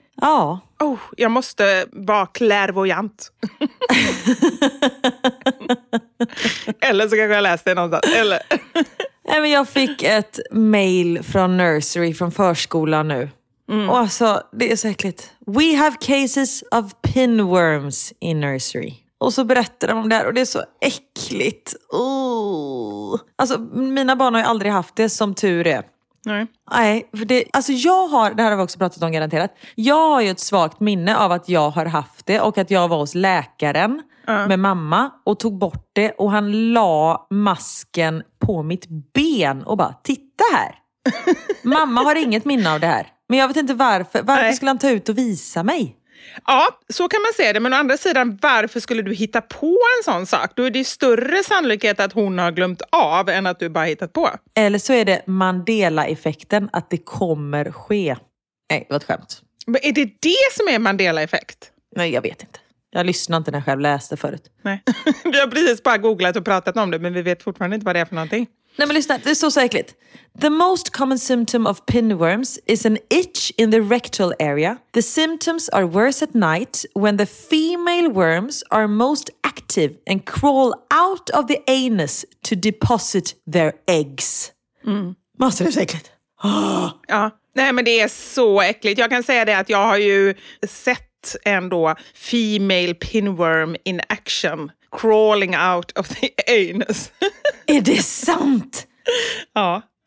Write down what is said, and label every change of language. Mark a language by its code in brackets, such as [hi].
[sv] Ja. Oh, jag måste vara clairvoyant. Eller så kanske jag läste det någonstans. Eller... Nej, men jag fick ett mail från nursery, från förskolan nu. Mm. Och alltså, det är så äckligt. [en] We have cases of pinworms in nursery. [sv] Och så berättar de om det här och det är så äckligt. Oh. Alltså, mina barn har ju aldrig haft det, som tur är. Nej. Nej, för det, alltså jag har, det här har vi också pratat om garanterat. Jag har ju ett svagt minne av att jag har haft det och att jag var hos läkaren med mamma och tog bort det och han la masken på mitt ben och bara, titta här. Mamma har inget minne av det här. Men jag vet inte varför. Varför skulle han ta ut och visa mig? Ja, så kan man säga det. Men å andra sidan, varför skulle du hitta på en sån sak? Då är det större sannolikhet att hon har glömt av än att du bara hittat på. Eller så är det Mandela-effekten, att det kommer ske. Nej, vad skämt. Men är det det som är Mandela-effekt? Nej, jag vet inte. Jag lyssnade inte när jag själv läste förut. Nej, vi har precis bara googlat och pratat om det, men vi vet fortfarande inte vad det är för någonting. Nej, men lyssna, det är så äckligt. [en] The most common symptom of pinworms is an itch in the rectal area. The symptoms are worse at night when the female worms are most active and crawl out of the anus to deposit their eggs. Mm. [sv] Måste det vara så äckligt? Ja, nej, men det är så äckligt. Jag kan säga det att jag har ju sett ändå [en] female pinworm in action. Crawling out of the anus. [sv] Är det sant? Ja.